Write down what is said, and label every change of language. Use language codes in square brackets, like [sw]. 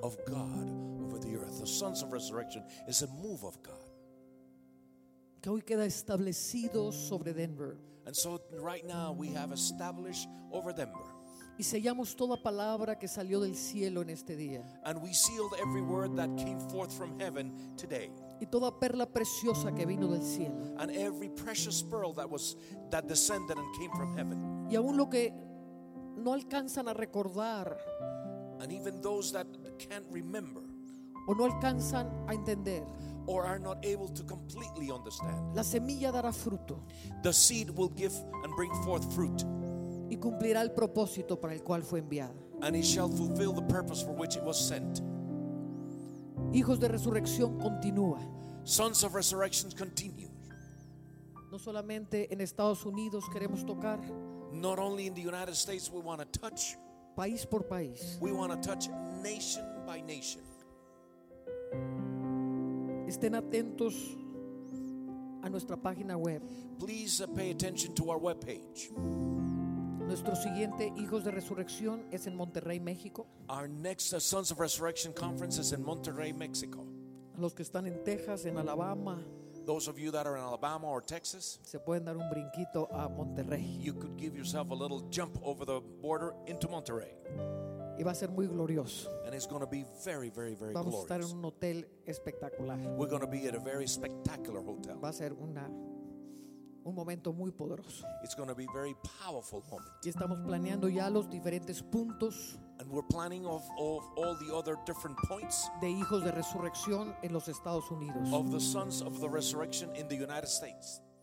[en] Of God over the earth. The sons of resurrection is a move of God. [es] Que hoy queda establecido sobre Denver. [en] And so right now we have established over Denver. [es] Y sellamos toda palabra que salió del cielo en este día. [en] And we sealed every word that came forth from heaven today. [es] Y toda perla preciosa que vino del cielo. [en] And every precious pearl that descended and came from heaven. [es] Y aún lo que no alcanzan a recordar. [en] And even those that can't remember. [es] O no alcanzan a entender. [en] Or are not able to completely understand. [es] La semilla dará fruto. [en] The seed will give and bring forth fruit. [es] Y cumplirá el propósito para el cual fue enviada. [en] And it shall fulfill the purpose for which it was sent. [es] Hijos de resurrección continúa. [en] Sons of resurrection continue. [es] No solamente en Estados Unidos queremos tocar. [en] Not only in the United States we want to touch. [es] País por país. [en] We want to touch nation by nation. [es] Estén atentos a nuestra página web. [en] Please pay attention to our webpage. [es] Nuestro siguiente Hijos de Resurrección es en Monterrey, México. [en] Our next Sons of Resurrection conference is in Monterrey, Mexico. [es] Los que están en Texas, en Alabama. [en] Those of you that are in Alabama or Texas. [es] Se pueden dar un brinquito a Monterrey. [en] You could give yourself a little jump over the border into Monterrey. [es] Y va a ser muy glorioso. [en] And it's going to be very, very, very [es] Vamos [en] glorious. [es] Vamos a estar en un hotel espectacular. [en] We're going to be at a very spectacular hotel. [es] Va a ser un momento muy poderoso. [en] It's going to be a very powerful moment. [es] Y estamos planeando ya los diferentes puntos. [en] And we're planning of all the other different points. [es] De hijos de resurrección en los Estados Unidos. [en] Of the sons of the resurrection in the United States.